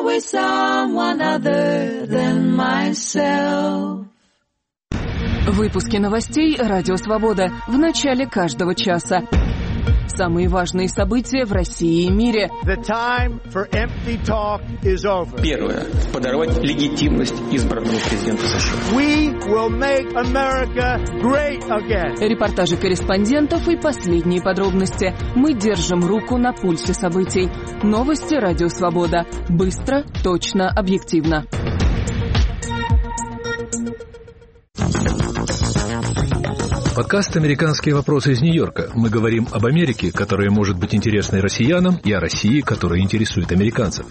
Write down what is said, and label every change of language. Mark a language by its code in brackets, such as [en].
[en] Someone other than myself. [ru] Выпуски новостей «Радио Свобода» в начале каждого часа. Самые важные события в России и мире. [en] The time for empty talk is over. [ru] Первое. Подорвать легитимность избранного президента США. [en] We will make America great again. [ru] Репортажи корреспондентов и последние подробности. Мы держим руку на пульсе событий. Новости «Радио Свобода». Быстро, точно, объективно. Подкаст «Американские вопросы» из Нью-Йорка. Мы говорим об Америке, которая может быть интересной россиянам, и о России, которая интересует американцев.